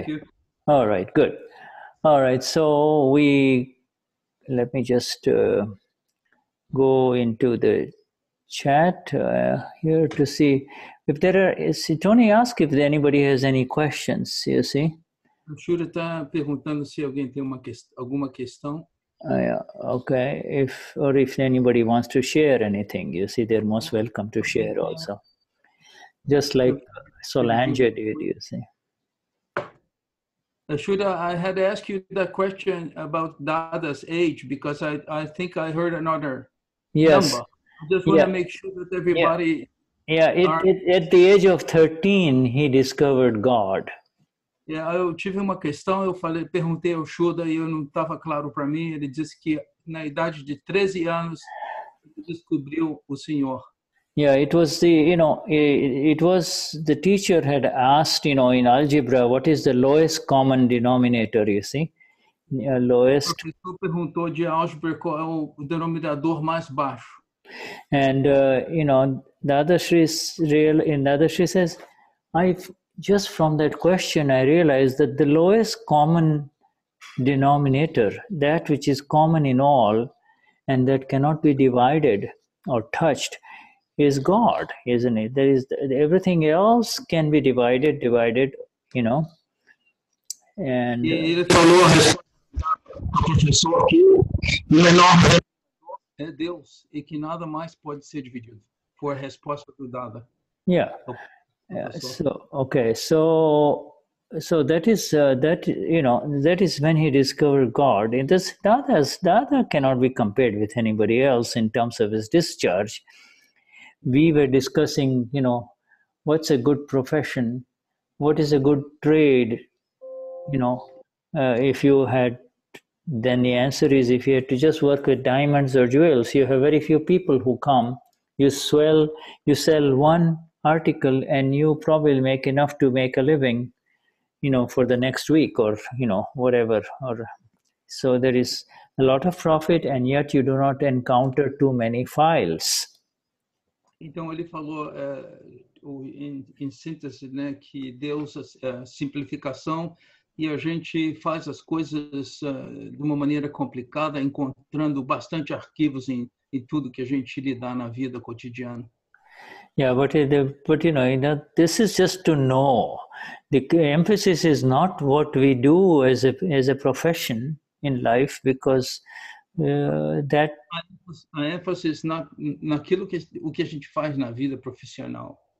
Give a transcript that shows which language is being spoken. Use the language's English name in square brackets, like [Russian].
[English] Thank you. All right, good. All right, so let me just go into the chat here to see if there are, see, Tony, ask if anybody has any questions, you see. [Portuguese] O Shuddha está perguntando se alguém tem alguma questão. [English] Okay, if anybody wants to share anything, you see, they're most welcome to share also. Just like Solange did, you see. Shuddha, I had asked you that question about Dada's age because I think I heard another yes. number. I just want to make sure that everybody... Yeah, at the age of 13, he discovered God. [Portuguese] Yeah, eu tive uma questão, eu falei, perguntei ao Shuddha e eu não estava claro para mim. Ele disse que na idade de 13 anos ele descobriu o Senhor. [English] Yeah, it was the, you know, it was the teacher had asked, you know, in algebra, what is the lowest common denominator, you see? Yeah, lowest. [Portuguese] O professor perguntou de álgebra qual é o denominador mais baixo. [English] And, you know, Dadashri says, just from that question, I realized that the lowest common denominator, that which is common in all and that cannot be divided or touched, is God, isn't it? There is everything else can be divided, you know. And [Portuguese] ele falou a professor que o menor é Deus e que nada mais pode ser dividido. Foi a resposta do Dada. [English] Yeah. So that is that is when he discovered God. In this Dada cannot be compared with anybody else in terms of his discharge. We were discussing, you know, what's a good profession, what is a good trade, you know, the answer is if you had to just work with diamonds or jewels, you have very few people who come. You sell one article and you probably make enough to make a living, you know, for the next week or, you know, whatever. Or so there is a lot of profit and yet you do not encounter too many files. [Portuguese] Então ele falou em síntese, né, que Deus simplificação e a gente faz as coisas de uma maneira complicada, encontrando bastante arquivos em tudo que a gente lida na vida cotidiana. [English] Yeah, but you know, this is just to know. The emphasis is not what we do as a profession in life, because that. [Portuguese] A [English] emphasis is not [Portuguese] naquilo que o que a gente faz na vida profissional.